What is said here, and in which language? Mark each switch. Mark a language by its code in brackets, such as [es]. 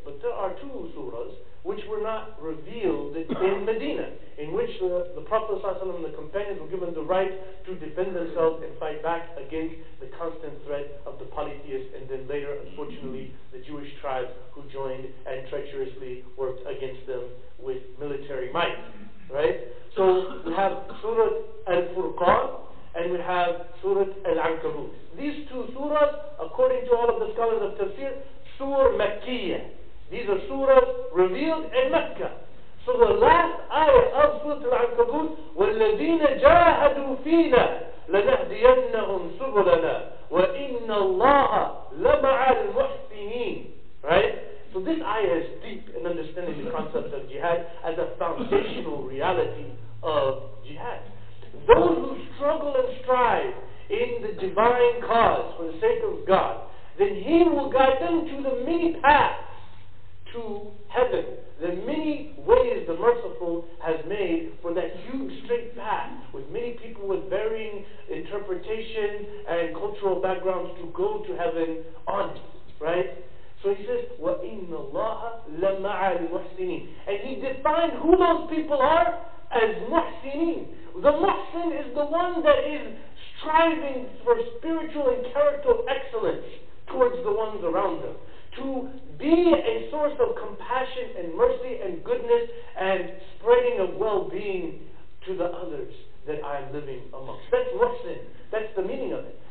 [en] But there are two surahs which were not revealed in Medina, in which the Prophet ﷺ and the companions were given the right to defend themselves and fight back against the constant threat of the polytheists, and then later, unfortunately, the Jewish tribes who joined and treacherously worked against them with military might. Right? So we have Surah Al-Furqan and we have Surah Al-Ankabut. These two surahs, according to all of the scholars of Tafsir, Sur Makkiyah. These are surahs revealed in Mecca. So the last ayah of Surah Al-Ankabut, [ar] وَالَّذِينَ جَاهَدُوا فِينَا لَنَهْدِيَنَّهُمْ سُبُلَنَا وَإِنَّ اللَّهَ لَمَعَ الْمُحْسِنِينَ. [en] Right? So this ayah is deep in understanding the concept of jihad as a foundational reality of jihad. Those who struggle and strive in the divine cause for the sake of God, then He will guide them to the many paths to heaven, the many ways the Merciful has made for that huge straight path, with many people with varying interpretation and cultural backgrounds to go to heaven on it, right? So He says, [ar] وَإِنَّ اللَّهَ لَمَعَ الْمُحْسِنِينَ. [en] And He defined who those people are as muhsinin. The muhsin is the one that is striving for spiritual and character excellence towards the ones around them, to be a source of compassion and mercy and goodness and spreading of well-being to the others that I'm living amongst. That's muhsin. That's the meaning of it.